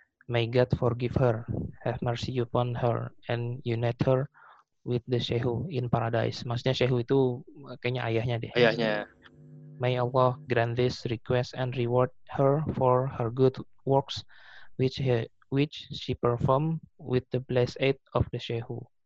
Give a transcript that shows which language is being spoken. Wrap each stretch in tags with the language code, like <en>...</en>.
<en>May God forgive her, have mercy upon her, and unite her with the Shehu in paradise.</en> <id>Maksudnya Shehu itu kayaknya ayahnya deh. Ayahnya.</id> <en>May Allah grant this request and reward her for her good works which which she performed with the blessed aid of the Shehu.</en>